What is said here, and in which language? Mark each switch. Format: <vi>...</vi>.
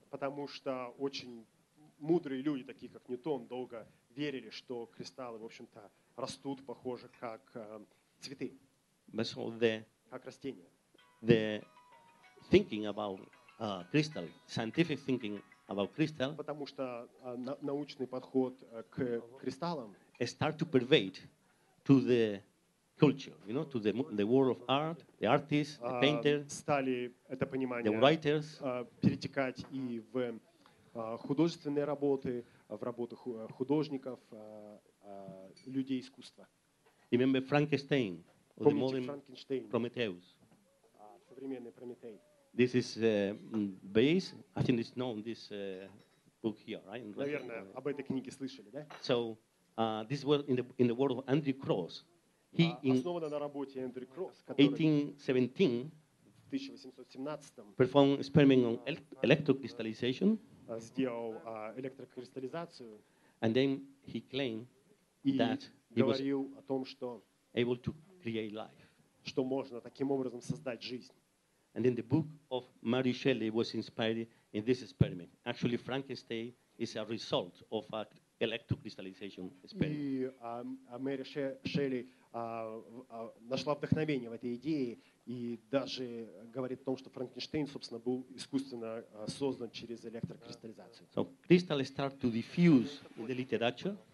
<ru>Потому что очень мудрые люди, такие как Ньютон, долго верили, что кристаллы, в общем-то, растут, похоже, как цветы,</ru> <en>But so the,</en> <ru>как растения.</ru> <en>The thinking about crystal, scientific thinking about crystal,</en> <ru>потому что научный подход к кристаллам</ru> <en>start to pervade to the culture, you know, to the world of art, the artists, the painter,</en> <ru>стали это понимание,</ru> <en>the writers,</en> <ru>перетекать и в художественные работы, в работы художников, людей искусства.</ru> <en>Remember Frankenstein, or</en> <ru>Помните</ru> <en>the modern Prometheus.</en> <ru>Современный Прометей.</ru> <en>This is base. I think it's known this book here, right?</en> <ru>Наверное, об этой книге слышали, да?</ru> <en>So this was in the world of Andrew Cross.</en> <ru>He основана на работе Эндрю Кросс, который</ru> <en>1817 performed experiment on electrocrystallization.</en> <ru>Сделал электрокристаллизацию.</ru> <en>And then he claimed that he was</en> <ru>о том, что</ru> <en>able to create life.</en> <ru>Что можно таким образом создать жизнь.</ru> <en>And then the book of Mary Shelley was inspired in this experiment. Actually, Frankenstein is a result of an electrocrystallization experiment.</en> <ru>И Мэри Шелли нашла вдохновение в этой идее и даже говорит о том, что Франкенштейн, собственно, был искусственно создан через электрокристаллизацию.</ru> <en>So crystals start to diffuse in the literature.</en>